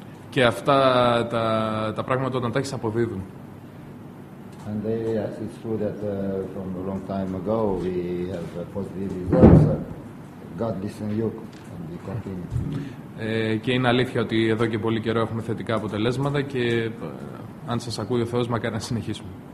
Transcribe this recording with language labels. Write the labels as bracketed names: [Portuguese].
[Greek] Και αυτά τα πράγματα όταν τα έχεις αποδίδουν. [English] And yes, it's true that from a long time ago we have positive results. God listen you and we continue. [Greek] Και είναι αλήθεια ότι εδώ και πολύ καιρό έχουμε θετικά αποτελέσματα και αν σας ακούει ο Θεός, μακάρι να συνεχίσουμε.